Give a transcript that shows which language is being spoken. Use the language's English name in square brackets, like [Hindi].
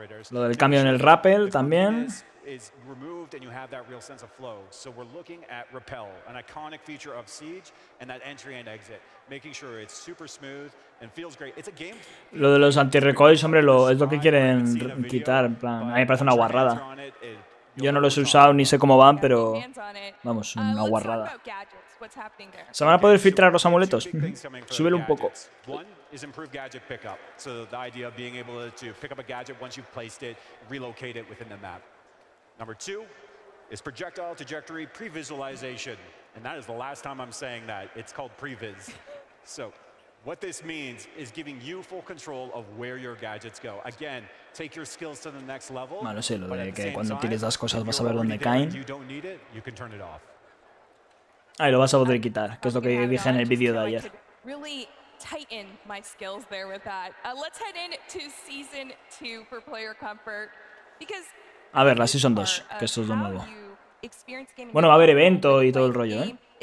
[Spanish] Lo del cambio en el rappel también. [English] Is removed and you have that real sense of flow. So we're looking at rappel, an iconic feature of Siege, and that entry and exit, making sure it's super smooth and feels great. It's a game. [Spanish] Lo de los anti-recoils, hombre, lo es lo que quieren quitar. En plan, a mí me parece una guarrada. Yo no los he usado ni sé cómo van, pero vamos, una guarrada. ¿Se van a poder filtrar los amuletos? Súbelo un poco. [English] Is improved gadget pickup. So the idea of being able to pick up a gadget once you've placed it, relocate it within the map. Number two is projectile trajectory pre-visualization. And that is the last time I'm saying that. It's called pre-vis. So what this means is giving you full control of where your gadgets go. Again, take your skills to the next level. [Spanish] Malo, sí, lo de que cuando tires las cosas vas a ver dónde caen. [English] You don't need it, you can turn it off. [Spanish] Ahí lo vas a poder quitar, que es lo que dije en el vídeo de ayer. [English] Really tighten my skills there with that. Let's head in to season two for player comfort. Because [Spanish] a ver, la Season 2, que esto es lo nuevo. Bueno, va a haber evento y todo el rollo, ¿eh?